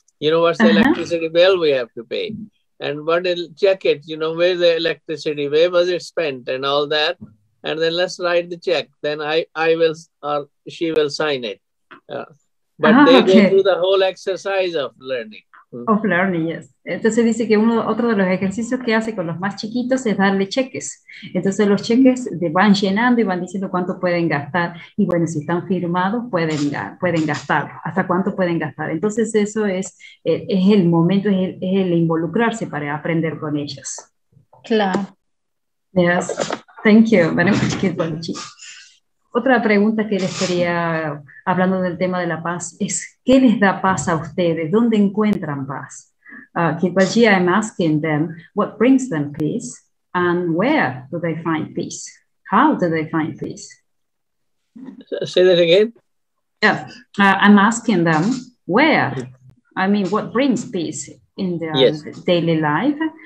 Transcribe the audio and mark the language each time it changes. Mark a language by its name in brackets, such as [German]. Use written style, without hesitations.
[English] You know what's the electricity bill we have to pay? And what is check it, you know, where the electricity, where was it spent and all that. And then let's write the check. Then I will, or she will sign it. But they go through the whole exercise of learning. Of learning, yes. [Spanish] Entonces dice que otro de los ejercicios que hace con los más chiquitos es darle cheques. Entonces los cheques van llenando y van diciendo cuánto pueden gastar. Y bueno, si están firmados, pueden gastar. ¿Hasta cuánto pueden gastar? Entonces eso es el momento, es el involucrarse para aprender con ellas. Claro. [English] Yes. Thank you. Very much. [Spanish] Otra pregunta que les quería, hablando del tema de la paz, es ¿qué les da paz a ustedes? ¿Dónde encuentran paz? [English] Kipaji, I'm asking them, what brings them peace? And where do they find peace? How do they find peace? Say that again. I'm asking them, where? I mean, what brings peace in their daily life?